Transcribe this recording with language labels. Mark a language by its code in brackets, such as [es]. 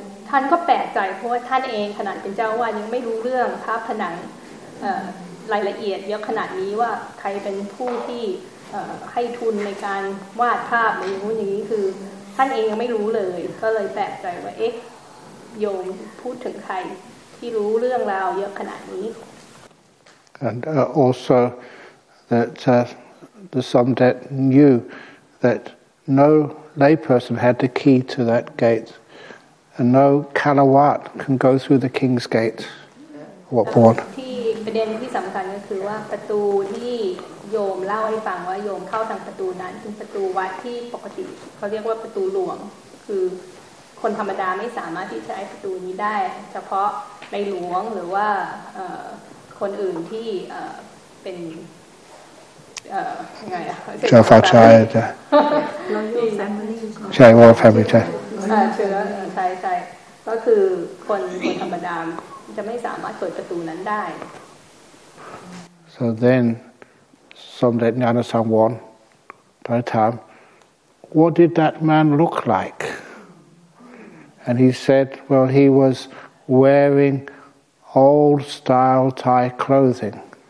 [th] ท่านก็แปลกใจเพราะว่าท่านเองขนาดเป็นเจ้าอาวาสยังไม่รู้เรื่องภาพผนังรายละเอียดเยอะขนาดนี้ว่าใครเป็นผู้ที่ให้ทุนในการวาดภาพอะไรอย่างนี้คือท่านเองยังไม่รู้เลยก็เลยแปลกใจว่าเอ๊ะโยมพูดถึงใครที่รู้เรื่องราวเยอะขนาดนี้ [en] and alsothat the Somdet knew that no layperson had the key to that gate and no Kalawat can go through the king's gate. What born? [th] ประเด็นที่สำคัญก็คือว่าประตูที่โยมเล่าให้ฟังว่าโยมเข้าทางประตูนั้นเป็นประตูวัดที่ปกติเขาเรียกว่าประตูหลวงคือคนธรรมดาไม่สามารถที่จะใช้ประตูนี้ได้เฉพาะในหลวงหรือว่าคนอื่นที่เป็น เชื้อฟ้าชายจ้ะใช่ว่าแฟมิลี่ใช่ เชื้อใช่ก็คือคนธรรมดาจะไม่สามารถเปิดประตูนั้นได้ [en] So then, Somdet Nyanasangwon, by the time, what did that man look like? And he said, well, he was wearing old style Thai clothing.